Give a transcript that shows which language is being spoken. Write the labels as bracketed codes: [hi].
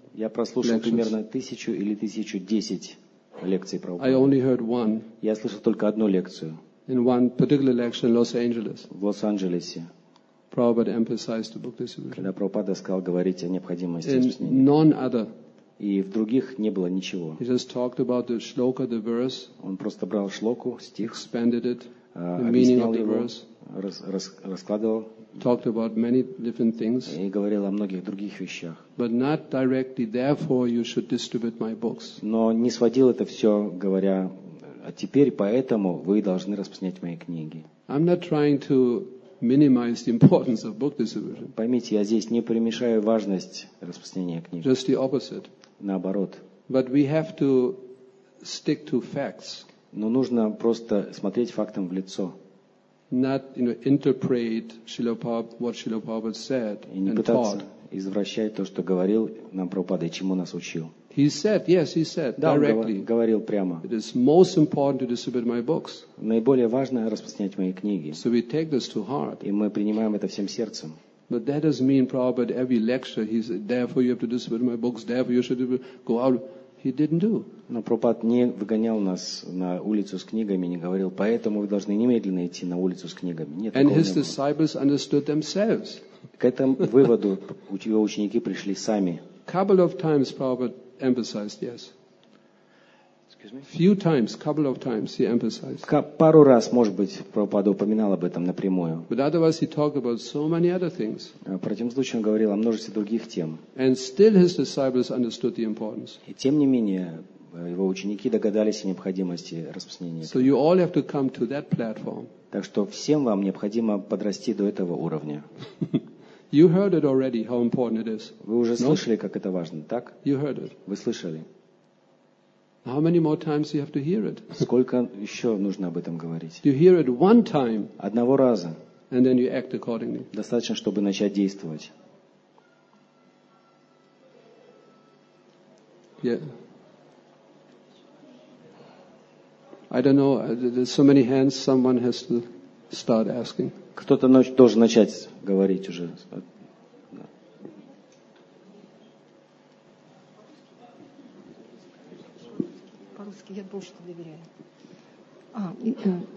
[ru] Я прослушал примерно 1,000 или 1,010. Лекции Прабхупады. [en] I only heard one. [ru] Я слышал только одну лекцию. [en] In one particular lecture in Los Angeles. [ru] В Лос-Анджелесе. [en] Prabhupada emphasized the book distribution. [ru] Когда Прабхупада сказал говорить о необходимости распространения. [en] None other. [ru] И в других не было ничего. [en] He just talked about the shloka, the verse. [ru] Он просто брал шлоку, стих. [en] Expanded it. The meaning of the verse. [ru] Раскладывал. [en] Talked about many different things. [ru] И говорил о многих других вещах. [en] But not directly. Therefore, you should distribute my books. [ru] Но не сводил это все, говоря, а теперь поэтому вы должны распространять мои книги. [en] I'm not trying to minimize the importance of book distribution. [ru] Поймите, я здесь не преуменьшаю важность распространения книг. [en] Just the opposite. [ru] Наоборот. [en] But we have to stick to facts. [ru] Но нужно просто смотреть фактам в лицо. [en] Not, you know, interpret what Srila Prabhupada said and taught. [ru] И не пытаться извращать то, что говорил нам Прабхупада и чему нас учил. [en] He said, yes, he said, [ru] да, [en] directly. [ru] Он говорил прямо. [en] It is most important to distribute my books. [ru] Наиболее важно распространять мои книги. [en] So we take this to heart. [ru] И мы принимаем это всем сердцем. [en] But that doesn't mean Prabhupada every lecture he said, therefore you have to distribute my books, therefore you should go out. He didn't do. [ru] Но Прабхупада не выгонял нас на улицу с книгами, не говорил, поэтому вы должны немедленно идти на улицу с книгами. Нет, [en] and his disciples understood themselves. [ru] К этому выводу его ученики пришли сами. [en] Couple of times Prabhupada emphasized, yes. Excuse me? Few times, couple of times he emphasized. [ru] Пару раз, может быть, Прабхупада упоминал об этом напрямую. [en] But otherwise he talked about so many other things. [ru] В противном случае он говорил о множестве других тем. [en] And still his disciples understood the importance. [ru] И тем не менее, его ученики догадались о необходимости распространения. [en] So you all have to come to that platform. [ru] Так что всем вам необходимо подрасти до этого уровня. [en] You heard it already, how important it is. [ru] Вы уже слышали, как это важно, так? [en] You heard it. [ru] Вы слышали. [en] How many more times you have to hear it? [ru] Сколько еще нужно об этом говорить? [en] You hear it one time. [ru] Одного раза. [en] And then you act accordingly. [ru] Достаточно, чтобы начать действовать. [en] Yeah. I don't know, there's so many hands, someone has to start asking. [ru] Кто-то должен начать говорить уже. По-русски я больше доверяю.